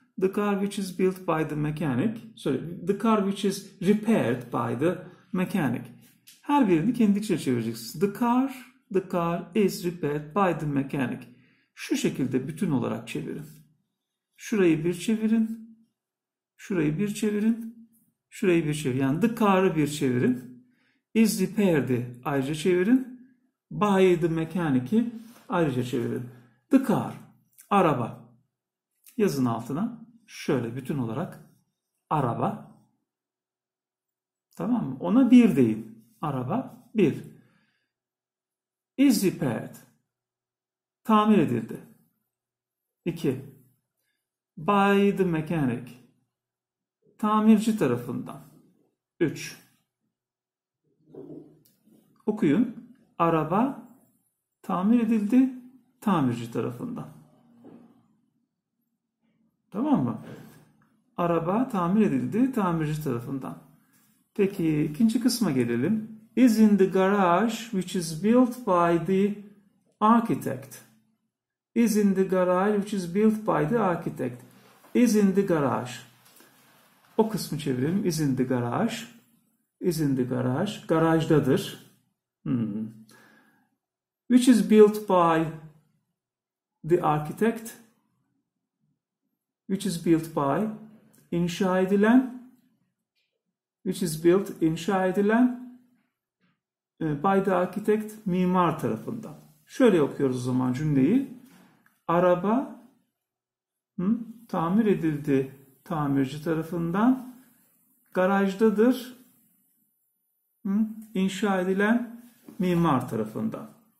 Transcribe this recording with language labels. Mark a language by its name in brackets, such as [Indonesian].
[English] The car which is built by the mechanic. Sorry, the car which is repaired by the mechanic. [Turkish] Her birini kendi içine çevireceksiniz. [English] The car is repaired by the mechanic. [Turkish] Şu şekilde bütün olarak çevirin. Şurayı bir çevirin. Şurayı bir çevirin. Şurayı bir çevirin. Yani [English] the car'ı [Turkish] bir çevirin. [English] Is repaired'i [Turkish] ayrıca çevirin. [English] By the mechanic'i ayrıca çevirin. The car, [Turkish] araba. Yazın altına şöyle bütün olarak araba. Tamam mı? Ona bir deyin. Araba bir. [English] Is repaired. [Turkish] Tamir edildi. İki. [English] By the mechanic. [Turkish] Tamirci tarafından. Üç. Okuyun. Araba tamir edildi tamirci tarafından. Tamam mı? Araba tamir edildi tamirci tarafından. Peki ikinci kısma gelelim. [English] Is in the garage which is built by the architect. Is in the garage which is built by the architect. Is in the garage. [Turkish] O kısmı çevirelim. [English] Is in the garage. Is in the garage. [Turkish] Garajdadır. [English] Which is built by the architect. Which is built by [Turkish] inşa edilen. [English] Which is built inşa edilen. By the architect [Turkish] mimar tarafından. Şöyle okuyoruz o zaman cümleyi. Araba tamir edildi tamirci tarafından. Garajdadır. İnşa edilen mimar tarafından.